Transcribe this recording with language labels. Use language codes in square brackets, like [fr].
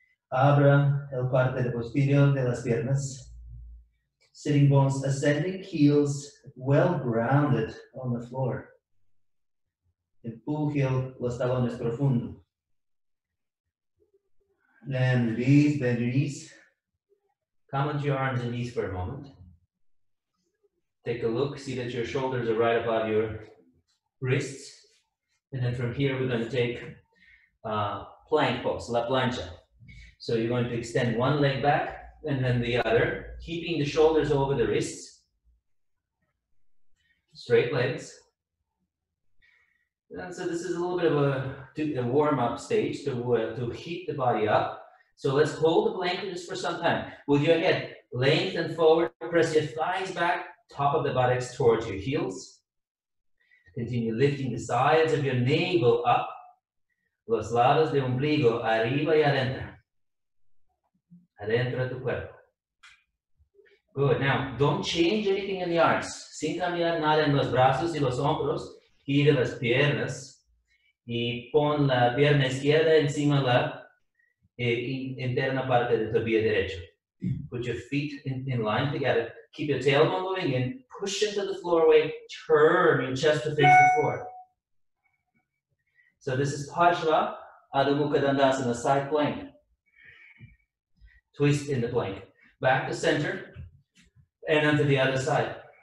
[es] Abra el parte de posterior de las piernas. [en] Sitting bones ascending, heels well grounded on the floor. [es] Empuje los talones profundo. [en] Then release, bend your knees. Come onto your arms and knees for a moment. Take a look, see that your shoulders are right above your wrists. And then from here, we're going to take plank pose, [es] la plancha. [en] So you're going to extend one leg back and then the other, keeping the shoulders over the wrists. Straight legs. And so this is a little bit of a warm-up stage to heat the body up. So let's hold the plank just for some time. With your head lengthen forward, press your thighs back, top of the buttocks towards your heels. Continue lifting the sides of your navel up. [es] Los lados de ombligo arriba y adentro. Adentro tu cuerpo. [en] Good. Now, don't change anything in the arms. [es] Sin cambiar nada en los brazos y los hombros y de las piernas. Y pon la pierna izquierda encima de la interna parte de tu pie derecho. [en] Put your feet in line together. Keep your tailbone moving and push into the floor away. Turn your chest to face the floor. So this is Pajra Adho Mukha Dandasana, side plank. Twist in the plank. Back to center and onto the other side.